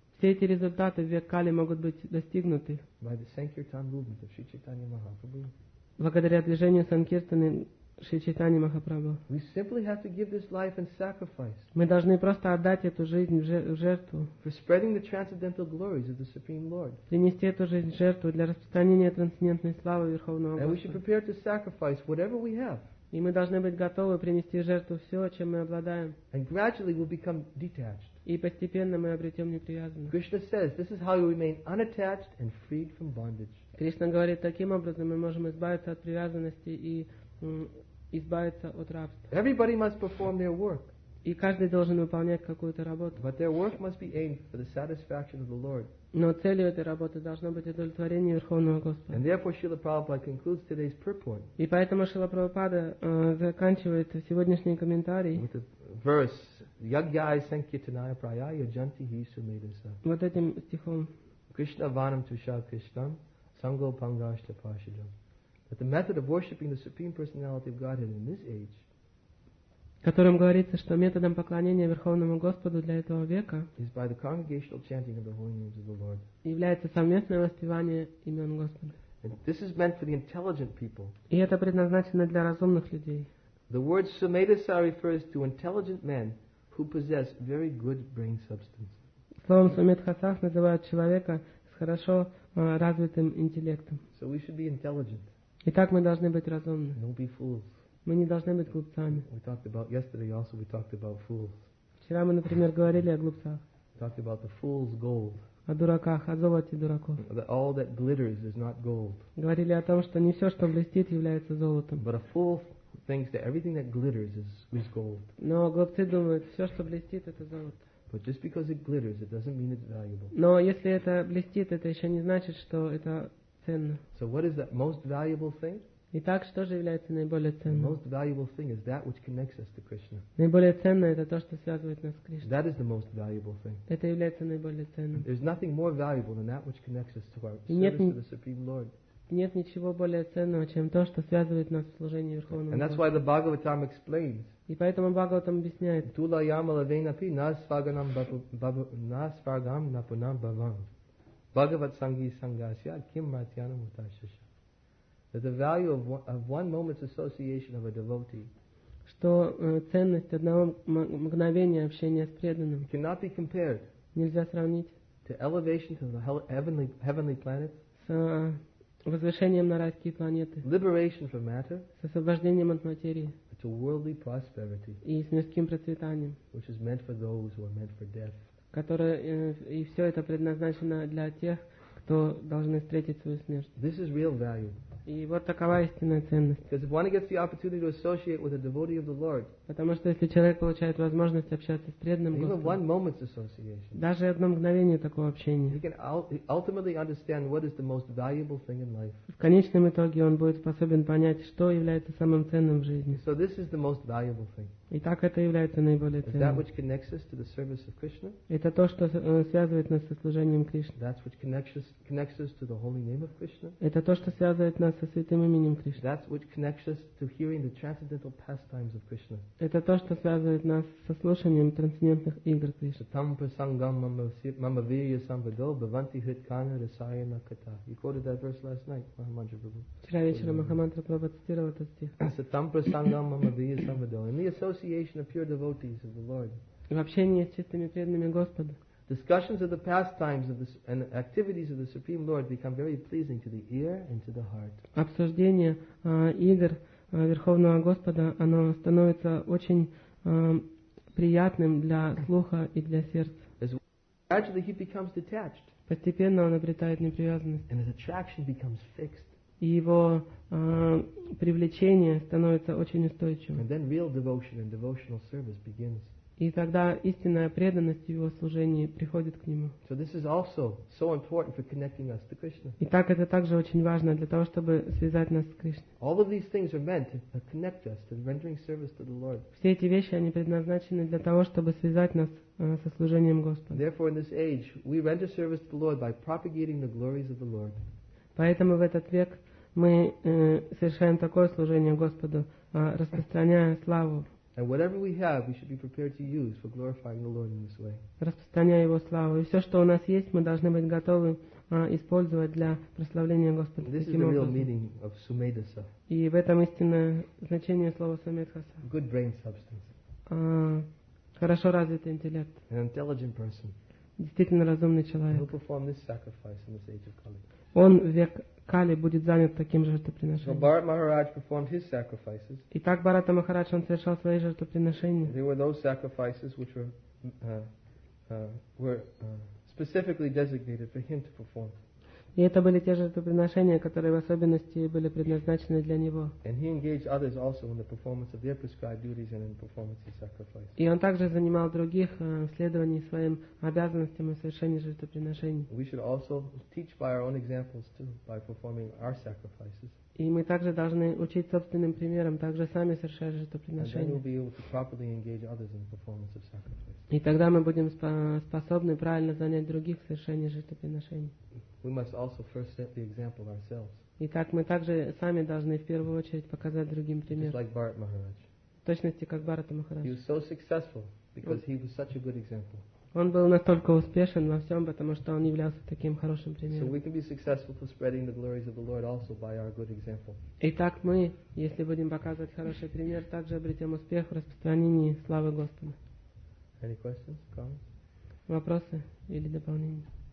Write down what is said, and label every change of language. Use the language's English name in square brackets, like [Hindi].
[Russian] Все эти результаты в век Кали могут быть достигнуты. [English] By the Sankirtan movement of Sri Chaitanya Mahaprabhu. [Russian] Благодаря движению Санкиртаны Шри Чайтани Махапрабху. [English] We simply have to give this life in sacrifice. [Russian] Мы должны просто отдать эту жизнь в жертву. [English] For spreading the transcendental glories of the Supreme Lord. [Russian] Принести эту жизнь в жертву для распространения трансцендентной славы Верховного Господа. [English] And we should prepare to sacrifice whatever we have. [Russian] И мы должны быть готовы принести в жертву все, чем мы обладаем. [English] And gradually we'll become detached. [Russian] И постепенно мы обретем неприязнь. [English] Krishna says, this is how you remain unattached and freed from bondage. [Russian] Кришна говорит, таким образом мы можем избавиться от привязанности и избавиться от рабства. [English] Everybody must perform their work. [Russian] И каждый должен выполнять какую-то работу. [English] But their work must be aimed for the satisfaction of the Lord. [Russian] Но целью этой работы должно быть удовлетворение Верховного Господа. [English] And therefore Srila Prabhupada concludes today's purport. [Russian] И поэтому Шрила Прабхупада заканчивает сегодняшний комментарий. [English] With the verse [Sanskrit] Yagyai Sankirtanaya Prayaya Janti Hi Sumedasa. [Russian] Вот этим стихом. [Sanskrit] Krishna Vanam Tusha Krishnam Sango Pangashta Pashidam. [English] But the method of worshipping the Supreme Personality of Godhead in this age, [Russian] которым говорится, что методом поклонения Верховному Господу для этого века, [English] is by the congregational chanting of the holy names of the Lord. [Russian] Является совместное воспевание имен Господа. [English] And this is meant for the intelligent people. [Russian] И это предназначено для разумных людей. [English] The word Sumedasa refers to intelligent men who possess very good brain substance. [Russian] Словом Сумедхаса называют человека с хорошо развитым интеллектом. [English] So we should be intelligent. [Russian] Итак, мы должны быть разумными. [English] Fools. [Russian] Мы не должны быть глупцами. [English] We talked about yesterday also we talked about fools. [Russian] Вчера мы, например, говорили о глупцах. [English] We talked about the fool's gold. [Russian] О дураках, о золоте дураков. [English] That all that glitters is not gold. [Russian] Говорили о том, что не все, что блестит, является золотом. [English] But a fool thinks that everything that glitters is gold. [Russian] Но глупцы думают, все, что блестит, это золото. [English] But just because it glitters, it doesn't mean it's valuable. [Russian] Но если это блестит, это еще не значит, что это. [English] So what is the most valuable thing? [Russian] Итак, что же является наиболее ценным? [English] The most valuable thing is that which connects us to Krishna. [Russian] Наиболее ценное это то, что связывает нас с Кришной. [English] That is the most valuable thing. [Russian] Это является наиболее ценным. [English] There's нothing more valuable than that which connects us to our service to the Supreme Lord. [Russian] Нет ничего более ценного, чем то, что связывает нас в служении Верховному Господу. [English] And that's why the Bhagavatam explains. [Russian] И поэтому Бхагаватам объясняет. [Sanskrit] Tula yamala venapi nasvaganam nasvargam napunam bhavam. Bhagavat Sanghi Sanghasya Kim Matyana Mutashasha. [English] That the value of one moment's association of a devotee, [Russian] что ценность одного мгновения общения с преданным, [English] cannot be compared, [Russian] нельзя сравнить, [English] to elevation to the heavenly planet, [Russian] с возвышением на райские планеты, [English] liberation from matter, [Russian] с освобождением от материи, [English] to worldly prosperity, [Russian] и с мирским процветанием, [English] which is meant for those who are meant for death. [Russian] Которое, и все это предназначено для тех, кто должны встретить свою смерть. [English] This is real value. [Russian] И вот такова истинная ценность. [English] Because if one gets the opportunity to associate with a devotee of the Lord, [Russian] потому что если человек получает возможность общаться с преданным Господом, [English] even one moment's association, [Russian] даже одно мгновение такого общения, [English] he can ultimately understand what is the most valuable thing in life. [Russian] В конечном итоге он будет способен понять, что является самым ценным в жизни. [English] So this is the most valuable thing. [Russian] И так это является наиболее ценным. [English] That which connects us to the service of Krishna. [Russian] Это то, что связывает нас со служением Кришне. [English] That's which connects us to the holy name of Krishna. [Russian] Это то, что связывает нас со святым именем Кришны. [English] That's which connects us to hearing the transcendental pastimes of Krishna. [Russian] Это то, что связывает нас со слушанием трансцендентных игр Кришны. [Sanskrit] Tam prasangam mama virya sambhado bhavanti hitkana rasayana kata. [English] You quoted that verse last night, Mahamantra Prabhu. [Russian] Вчера вечером Махамантра Прабху цитировал этот стих. [Sanskrit] Tam prasangam mama virya sambhado. [English] In the association of pure devotees of the Lord. [Russian] В общении с чистыми преданными Господа. [English] Discussions of the pastimes of the and activities of the Supreme Lord become very pleasing to the ear and to the heart. [Russian] Обсуждение игр Верховного Господа, оно становится очень приятным для слуха и для сердца. [English] As gradually he becomes detached. [Russian] Постепенно он обретает непривязанность. [English] And his attraction becomes fixed. [Russian] И его привлечение становится очень устойчивым. [English] And then real devotion and devotional service begins. [Russian] И тогда истинная преданность в его служении приходит к нему. [English] So this is also so important for connecting us to Krishna. [Russian] И так это также очень важно для того, чтобы связать нас с Кришной. [English] All of these things are meant to connect us to rendering service to the Lord. [Russian] Все эти вещи, они предназначены для того, чтобы связать нас со служением Господу. [English] Therefore in this age we render service to the Lord by propagating the glories of the Lord. [Russian] Поэтому в этот век мы совершаем такое служение Господу, распространяя славу. [English] And whatever we have, we should be prepared to use for glorifying the Lord in this way. [Russian] Распространяя его славу. И все, что у нас есть, мы должны быть готовы использовать для прославления Господа. [English] This is the real meaning of sumedhasa. [Russian] И в этом истинное значение слова сумедхаса. [English] Good brain substance. [Russian] Хорошо развитый интеллект. [English] An intelligent person. [Russian] Действительно разумный человек. [English] Who will perform this sacrifice in this age of Kali? [Russian] Он век Кали будет занят таким жертвоприношением. [English] So Bharata Maharaja performed his sacrifices. [Russian] Итак, Бхарата Махарадж, он совершал свои жертвоприношения. [English] There were those sacrifices which were specifically designated for him to perform. [Russian] И это были те жертвоприношения, которые в особенности были предназначены для него. [English] And he engaged others also in the performance of their prescribed duties and in performance of sacrifice. [Russian] И он также занимал других в следовании своим обязанностям и совершении жертвоприношений. [English] We should also teach by our own examples too, by performing our sacrifices. [Russian] И мы также должны учить собственным примером, также сами совершать жертвоприношения. [English] And then we'll be able to properly engage others in the performance of sacrifice. [Russian] И тогда мы будем способны правильно занять других в совершении жертвоприношений. [English] We must also first set the example ourselves. [Russian] Итак, мы также сами должны в первую очередь показать другим пример. [English] Just like Bharat Maharaj. [Russian] В точности как Бхарата Махарадж. [English] He was so successful because he was such a good example. [Russian] Он был настолько успешен во всем, потому что он являлся таким хорошим примером. [English] So we can be successful for spreading the glories of the Lord also by our good example. [Russian] Итак, мы, если будем показывать хороший пример, также обретем успех в распространении славы Господа. [English] Any questions, comments? [Russian] Вопросы или дополнения?